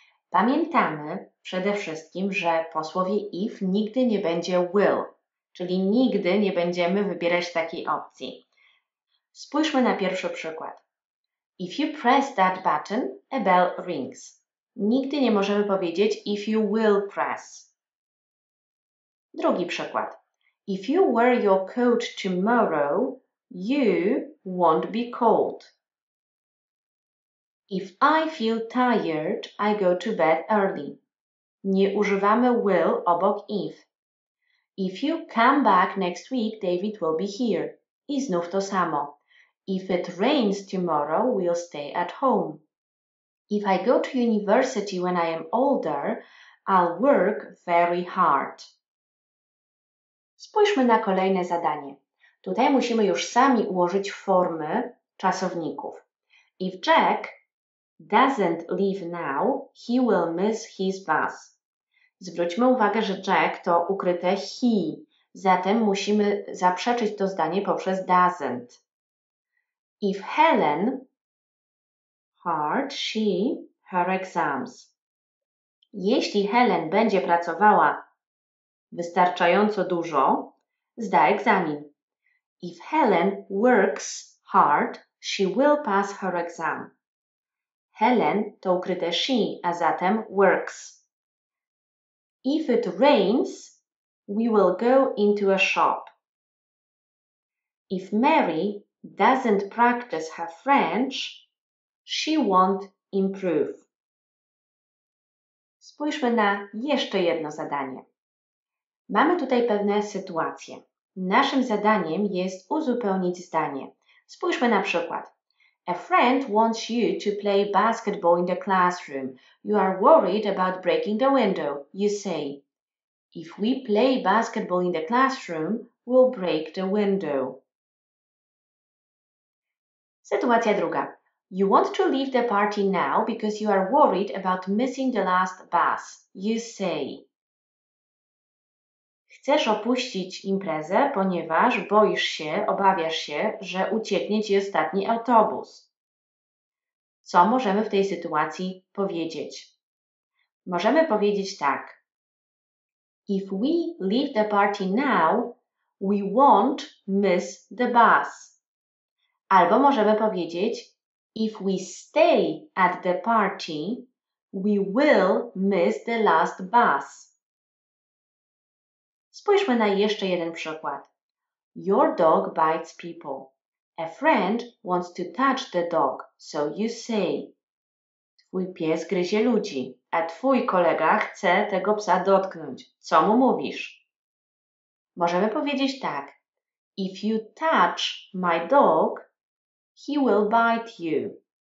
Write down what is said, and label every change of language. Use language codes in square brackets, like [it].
[pl] Pamiętamy przede wszystkim, że po słowie if nigdy nie będzie will. Czyli nigdy nie będziemy wybierać takiej opcji. Spójrzmy na pierwszy przykład. [en] If you press that button, a bell rings. [pl] Nigdy nie możemy powiedzieć [en] if you will press. [pl] Drugi przykład. [en] If you wear your coat tomorrow, you won't be cold. If I feel tired, I go to bed early. [pl] Nie używamy will obok if. [en] If you come back next week, David will be here. [pl] I znów to samo. [en] If it rains tomorrow, we'll stay at home. If I go to university when I am older, I'll work very hard. [pl] Spójrzmy na kolejne zadanie. Tutaj musimy już sami ułożyć formy czasowników. [en] If Jack doesn't leave now, he will miss his bus. [pl] Zwróćmy uwagę, że Jack to ukryte he, Zatem musimy zaprzeczyć to zdanie poprzez doesn't. [en] If Helen hard she her exams. [pl] Jeśli Helen będzie pracowała wystarczająco dużo, zda egzamin. [en] If Helen works hard, she will pass her exam. [pl] Helen to ukryte she, a zatem works. [en] If it rains, we will go into a shop. If Mary doesn't practice her French, she won't improve. [pl] Spójrzmy na jeszcze jedno zadanie. Mamy tutaj pewne sytuacje. Naszym zadaniem jest uzupełnić zdanie. Spójrzmy na przykład. [en] A friend wants you to play basketball in the classroom. You are worried about breaking the window. You say, if we play basketball in the classroom, we'll break the window. [pl] Sytuacja druga. [en] You want to leave the party now because you are worried about missing the last bus. You say, [pl] chcesz opuścić imprezę, ponieważ boisz się, obawiasz się, że ucieknie ci ostatni autobus. Co możemy w tej sytuacji powiedzieć? Możemy powiedzieć tak. [en] If we leave the party now, we won't miss the bus. [pl] Albo możemy powiedzieć, [en] if we stay at the party, we will miss the last bus. [pl] Spójrzmy na jeszcze jeden przykład. [en] Your dog bites people. A friend wants to touch the dog, so you say, [pl] twój pies gryzie ludzi, a twój kolega chce tego psa dotknąć. Co mu mówisz? Możemy powiedzieć tak. [en] If you touch my dog, he will bite you.